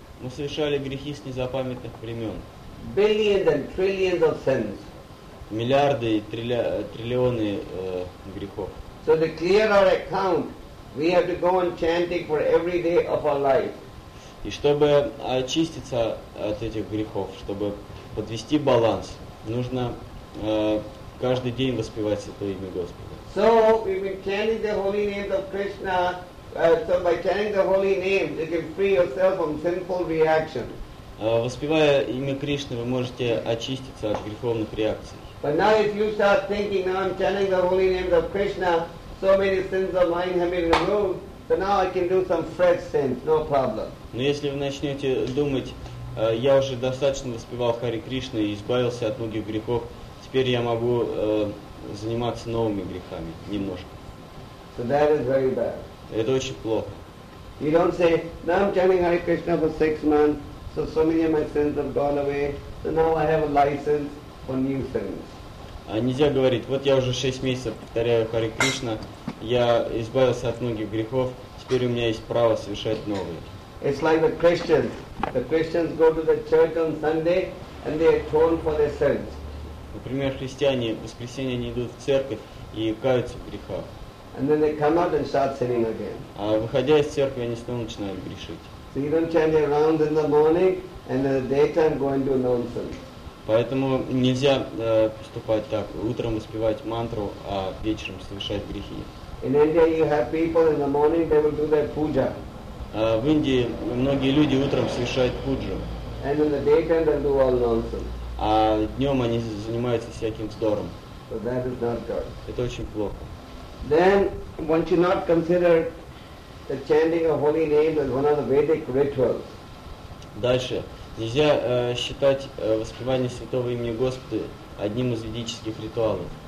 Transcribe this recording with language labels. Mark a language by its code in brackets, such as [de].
[ru] Мы совершали грехи с незапамятных времен. [en] Billions and trillions of sins. [ru] Миллиарды и триллионы грехов. [en] So to clear our account, we have to go on chanting for every day of our life. [ru] И чтобы очиститься от этих грехов, чтобы подвести баланс, нужно каждый день воспевать Святое имя Господа. [en] So we've been chanting the holy names of Krishna. So by chanting the holy name, you can free yourself from sinful reaction. [ru] Воспевая имя Кришны, вы можете очиститься от греховных реакций. [en] But now if you start thinking, now I'm chanting the holy names of Krishna, so many sins of mine have been removed, so now I can do some fresh sins, no problem. [ru] Но если вы начнете думать, я уже достаточно воспевал Харе Кришну и избавился от многих грехов, теперь я могу заниматься новыми грехами немножко. [en] So that is very bad. [ru] Это очень плохо. [en] You don't say, now I'm chanting Hare Krishna for 6 months, so many of my sins have gone away, so now I have a license for new sins. [ru] Нельзя говорить, вот я уже 6 месяцев повторяю Харе Кришна, я избавился от многих грехов, теперь у меня есть право совершать новые. [en] It's like the Christians. The Christians go to the church on Sunday and they atone for their sins. [ru] Например, христиане в воскресенье не идут в церковь и каются в грехах. [en] And then they come out and start sinning again. [ru] А выходя из церкви, они снова начинают грешить. [en] So you don't chant your rounds in the morning and in the daytime go and do nonsense. [ru] Поэтому нельзя поступать так. Утром воспевать мантру, а вечером совершать грехи. [en] In India you have people in the morning, they will do their puja. [ru] В Индии многие люди утром совершают пуджу. [en] And in the daytime they do all nonsense. [ru] А днем они занимаются всяким вздором. [en] So that is not good. [ru] Это очень плохо. [en] Then one should not consider the chanting of holy names as one of the Vedic rituals. [ru] Дальше. Нельзя считать воспевание святого имени Господа одним из ведических ритуалов.